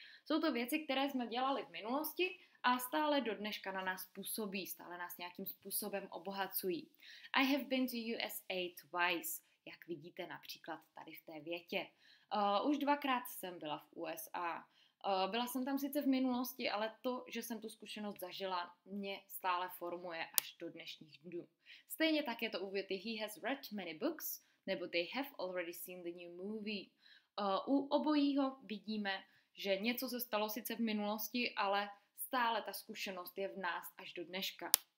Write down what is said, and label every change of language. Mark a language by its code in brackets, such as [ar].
[cs] Jsou to věci, které jsme dělali v minulosti a stále do dneška na nás působí, stále nás nějakým způsobem obohacují. [en] I have been to USA twice, [cs] jak vidíte například tady v té větě. Už dvakrát jsem byla v USA. Byla jsem tam sice v minulosti, ale to, že jsem tu zkušenost zažila, mě stále formuje až do dnešních dnů. Stejně tak je to u věty [en] he has read many books, [cs] nebo [en] they have already seen the new movie. [cs] U obojího vidíme, že něco se stalo sice v minulosti, ale stále ta zkušenost je v nás až do dneška.